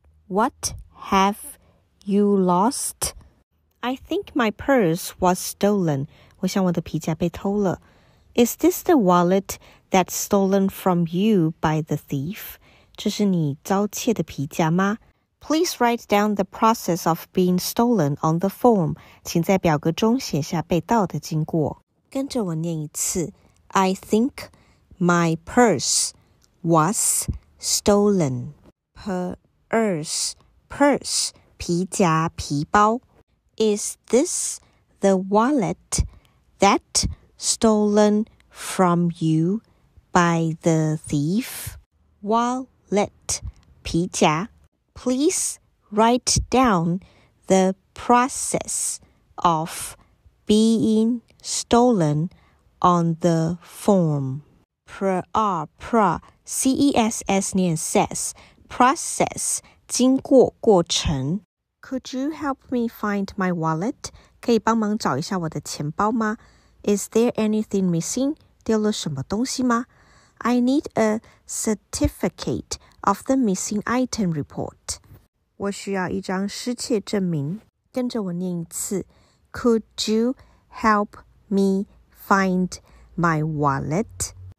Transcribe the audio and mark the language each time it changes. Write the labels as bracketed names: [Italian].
[English] What have you lost? I think my purse was stolen. [Chinese] 我想我的皮夹被偷了。 [English] Is this the wallet that's stolen from you by the thief? [Chinese] 这是你遭窃的皮夹吗? [English] Please write down the process of being stolen on the form. [Chinese] 请在表格中写下被盗的经过。跟着我念一次 [English] I think my purse was stolen. Purse, purse, 皮夹皮包 Is this the wallet that stolen from you by the thief? Wallet, 皮夹 Please write down the process of being stolen on the form. Pra, C-E-S-S 念 says. Process, 经过过程。Could you help me find my wallet? [Chinese] 可以帮忙找一下我的钱包吗? [English] Is there anything missing? [Chinese] 丢了什么东西吗? [English] I need a certificate of the missing item report. [Chinese] 我需要一张失窃证明。跟着我念一次。 [English] Could you help me find my wallet?